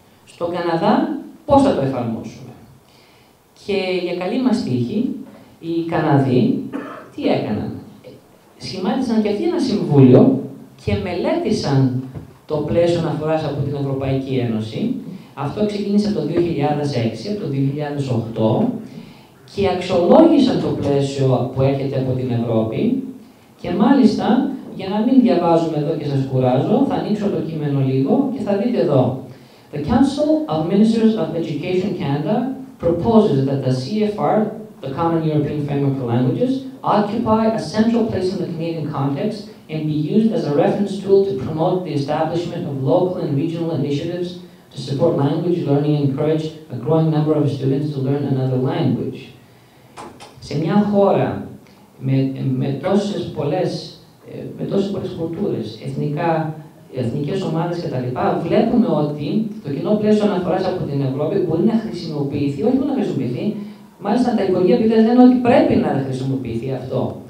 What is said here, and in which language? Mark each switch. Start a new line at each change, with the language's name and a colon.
Greek: Στον Καναδά πώς θα το εφαρμόσουμε. Και για καλή μας τύχη, οι Καναδοί τι έκαναν, σχημάτισαν και αυτοί ένα συμβούλιο και μελέτησαν το πλαίσιο αναφοράς από την Ευρωπαϊκή Ένωση. Αυτό ξεκίνησε από το 2006, από το 2008 και αξιολόγησαν το πλαίσιο που έρχεται από την Ευρώπη και μάλιστα, για να μην διαβάζουμε εδώ και σας κουράζω, θα ανοίξω το κείμενο λίγο και θα δείτε εδώ.
English: The Council of Ministers of Education Canada proposes that the CFR, the Common European Framework for Languages, occupy a central place in the Canadian context and be used as a reference tool to promote the establishment of local and regional initiatives to support language learning and encourage a growing number of students to learn another language.
Greek: σε μια χώρα με τόσες πολλές κουλτούρες, εθνικές ομάδες κτλ. Βλέπουμε ότι το κοινό πλαίσιο αναφοράς από την Ευρώπη μπορεί να χρησιμοποιηθεί, όχι μόνο να χρησιμοποιηθεί, μάλιστα τα υπουργεία επίτευξης λένε ότι πρέπει να χρησιμοποιηθεί αυτό.